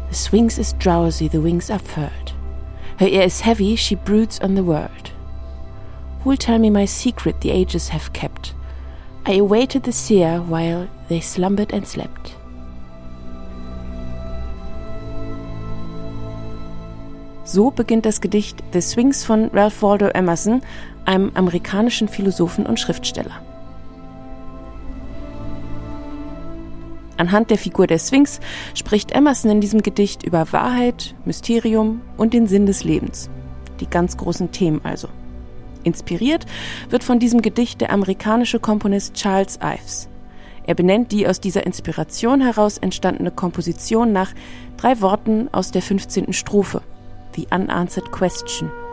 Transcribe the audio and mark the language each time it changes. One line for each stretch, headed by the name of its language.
English: Wings is drowsy, the wings are furled. Her ear is heavy, she broods on the world. Who'll tell me my secret the ages have kept? I awaited the seer while they slumbered and slept.
German: So beginnt das Gedicht The Sphinx von Ralph Waldo Emerson, einem amerikanischen Philosophen und Schriftsteller. Anhand der Figur der Sphinx spricht Emerson in diesem Gedicht über Wahrheit, Mysterium und den Sinn des Lebens. Die ganz großen Themen also. Inspiriert wird von diesem Gedicht der amerikanische Komponist Charles Ives. Er benennt die aus dieser Inspiration heraus entstandene Komposition nach drei Worten aus der 15. Strophe, The Unanswered Question.